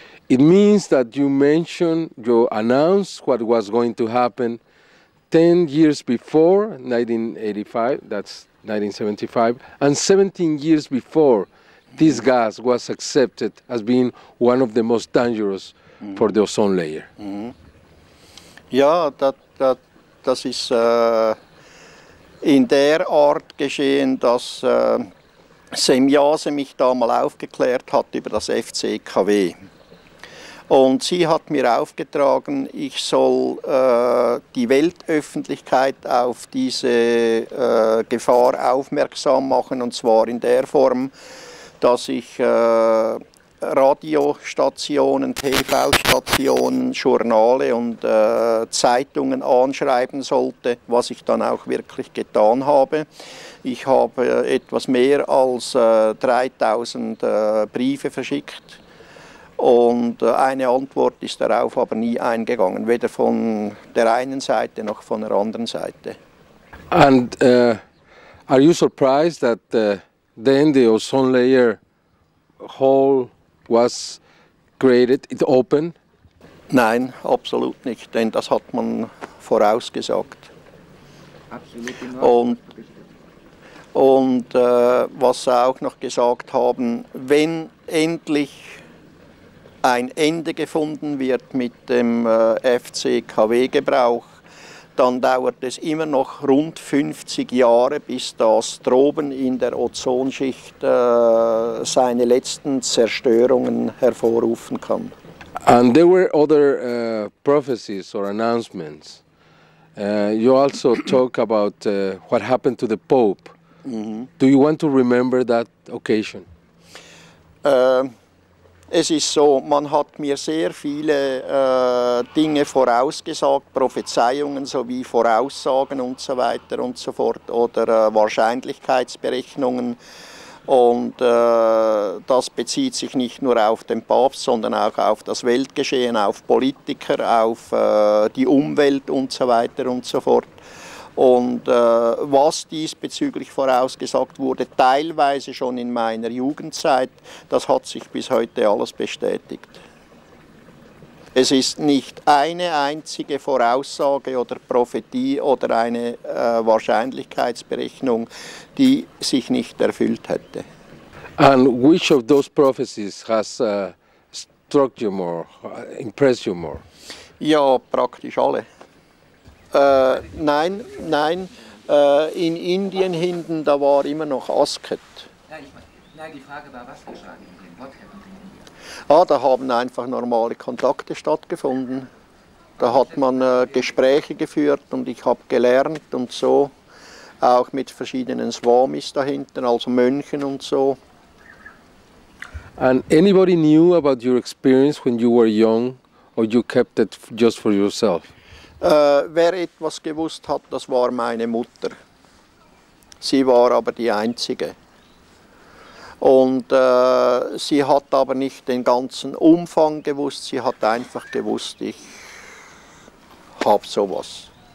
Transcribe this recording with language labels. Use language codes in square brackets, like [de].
[en] It means that you mentioned, you announced what was going to happen 10 years before 1985, that's 1975, and 17 years before this gas was accepted as being one of the most dangerous for the ozone layer. [de] Ja, das ist in der Art geschehen, dass Sem Jase mich da mal aufgeklärt hat über das FCKW. Und sie hat mir aufgetragen, ich soll die Weltöffentlichkeit auf diese Gefahr aufmerksam machen, und zwar in der Form, dass ich Radiostationen, TV-Stationen, Journale und Zeitungen anschreiben sollte, was ich dann auch wirklich getan habe. Ich habe etwas mehr als 3000 Briefe verschickt. Und eine Antwort ist darauf aber nie eingegangen, weder von der einen Seite noch von der anderen Seite. [en] And are you surprised that then the ozone layer hole was created, it opened? [de] Nein, absolut nicht, denn das hat man vorausgesagt. Absolut. Und was sie auch noch gesagt haben, wenn endlich ein Ende gefunden wird mit dem FCKW-Gebrauch, dann dauert es immer noch rund 50 Jahre, bis das Droben in der Ozonschicht seine letzten Zerstörungen hervorrufen kann. [en] And there were other prophecies or announcements. You also talk about what happened to the Pope. Mm-hmm. Do you want to remember that occasion? [de] Es ist so, man hat mir sehr viele Dinge vorausgesagt, Prophezeiungen sowie Voraussagen und so weiter und so fort, oder Wahrscheinlichkeitsberechnungen. Und das bezieht sich nicht nur auf den Papst, sondern auch auf das Weltgeschehen, auf Politiker, auf die Umwelt und so weiter und so fort. Und was diesbezüglich vorausgesagt wurde, teilweise schon in meiner Jugendzeit, das hat sich bis heute alles bestätigt. Es ist nicht eine einzige Voraussage oder Prophetie oder eine Wahrscheinlichkeitsberechnung, die sich nicht erfüllt hätte. [en] And which of those prophecies has struck you more, impressed you more? [de] Ja, praktisch alle. Nein, nein, in Indien hinten, da war immer noch Asket. Nein, die Frage war, was geschah in Indien? Ah, da haben einfach normale Kontakte stattgefunden. Da hat man Gespräche geführt und ich habe gelernt und so, auch mit verschiedenen Swamis da hinten, also Mönchen und so. [en] And anybody knew about your experience when you were young, or you kept it just for yourself? [de] Wer etwas gewusst hat, das war meine Mutter. Sie war aber die Einzige. Und sie hat aber nicht den ganzen Umfang gewusst, sie hat einfach gewusst, ich habe sowas.